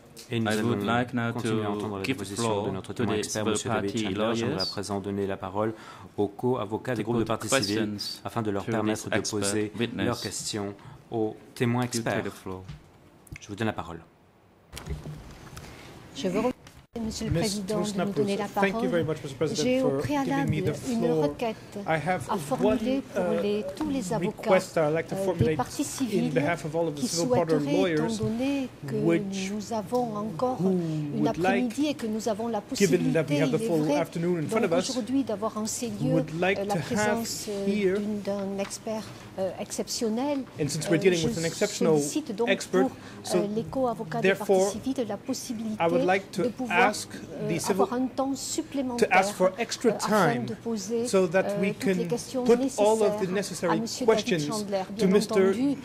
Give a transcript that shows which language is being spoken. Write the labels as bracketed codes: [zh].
[en] I would like now to give the floor [fr] de notre témoin expert, M. [en] David Chandler. [fr] J'aimerais à présent donner la parole aux co-avocats des groupes de parties civiles afin de leur permettre de poser leurs questions aux témoins experts. Je vous donne la parole. Je vous remercie, M. le Président, de me donner la parole. J'ai au préalable une requête à formuler pour tous les avocats des parties civiles qui souhaiteraient, étant donné que nous avons encore une après-midi et que nous avons la possibilité, il est vrai, aujourd'hui d'avoir en ces lieux la présence d'un expert exceptionnel. [en] And since we're dealing with an exceptional expert, so therefore, I would like to ask the civil to ask for extra time so that we can put all of the necessary questions to Mr.